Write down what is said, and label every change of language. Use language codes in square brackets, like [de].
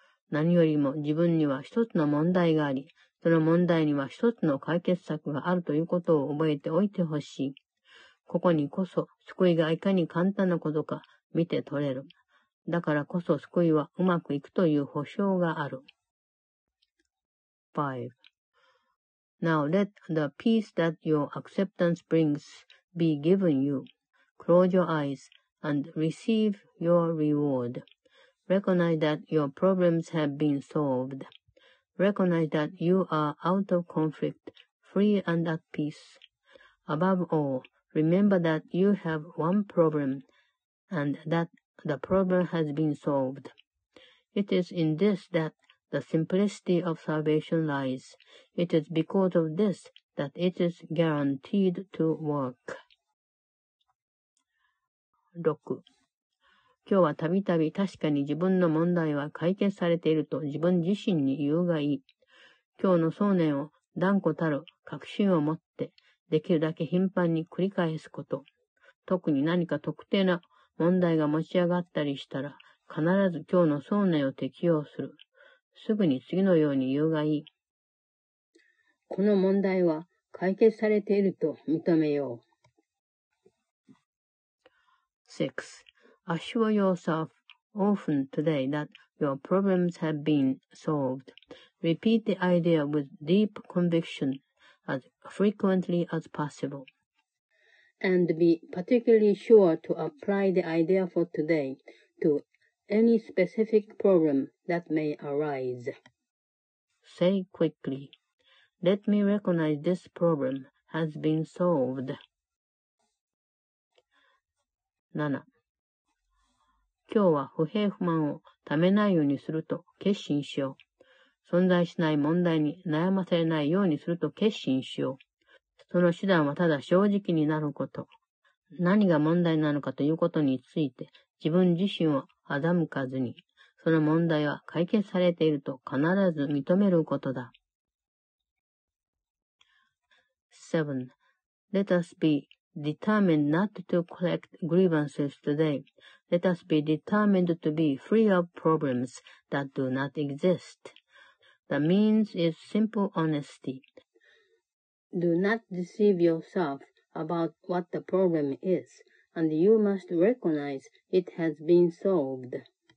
[ja] 何よりも自分には一つの問題があり、その問題には一つの解決策があるということを覚えておいてほしい。ここにこそ救いがいかに簡単なことか見て取れる。だからこそ救いはうまくいくという保証がある。 [en] 5. Now let the peace that your acceptance brings be given you. Close your eyes and receive your reward. Recognize that your problems have been solved. Recognize that you are out of conflict, free and at peace. Above all, remember that you have one problem and that the problem has been solved. It is in this that the simplicity of salvation lies. It is because of this that it is guaranteed to work. 6. [ja] 今日はたびたび確かに自分の問題は解決されていると自分自身に言うがいい。今日の想念を断固たる確信を持ってできるだけ頻繁に繰り返すこと。特に何か特定な問題が持ち上がったりしたら必ず今日の想念を適用する。すぐに次のように言うがいい。この問題は解決されていると認めよう。 [en] 6. Assure yourself often today that your problems have been solved. Repeat the idea with deep conviction as frequently as possible. And be particularly sure to apply the idea for today to any specific problem that may arise. Say quickly, "Let me recognize this problem has been solved." 7. [ja] 今日は不平不満をためないようにすると決心しよう。存在しない問題に悩まされないようにすると決心しよう。その手段はただ正直になること。何が問題なのかということについて自分自身を欺かずに、その問題は解決されていると必ず認めることだ。 [en] 7. Let us be determined not to collect grievances today. Let us be determined to be free of problems that do not exist. The means is simple honesty. Do not deceive yourself about what the problem is, and you must recognize it has been solved.